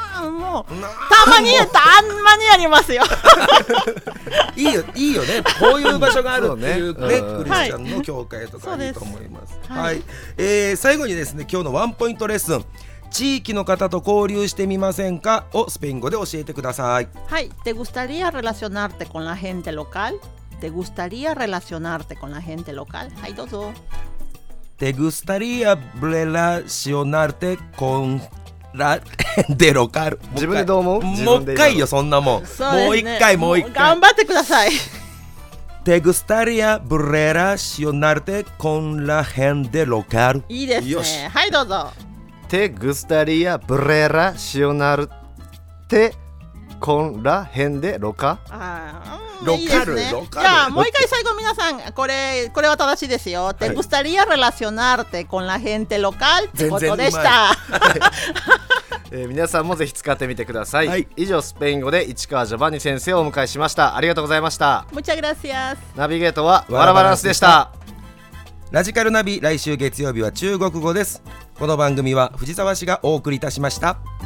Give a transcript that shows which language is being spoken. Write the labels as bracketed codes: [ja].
[ja] もうたまに、たんまにありますよ。いいよ、いいよね、こういう場所があるっていう、ね、ね、クリスチャンの教会とかいいと思います。はい、はい、最後にですね、今日のワンポイントレッスン、地域の方と交流してみませんかをスペイン語で教えてください。 [es] はい、te gustaría relacionarte con la gente local? te gustaría relacionarte con la gente local? [ja] はい、どうぞ。 [es] ¿Te gustaría relacionarte con la gente local? [ja] 自分でどう思う？もう一回よ、そんなもん。そうですね、もう一回、もう一回。頑張ってください。 [es] ¿Te gustaría relacionarte con la gente local? [ja] いいですね。よし。はい、どうぞ。 [es] ¿Te gustaría relacionarte con la gente local? ああ。 [ja] ロカル、いいですね、ロカル。じゃあもう一回最後、皆さん、これは正しいですよ。 [es] はい、te gustaría relacionarte con la gente local? [ja] ってことでした。はい、皆さんもぜひ使ってみてください。はい、以上、スペイン語で市川ジョバンニ先生をお迎えしました。ありがとうございました。 [es] Muchas gracias。 [ja] ナビゲートはワラバランスでした。ラジカルナビ、来週月曜日は中国語です。この番組は藤沢市がお送りいたしました。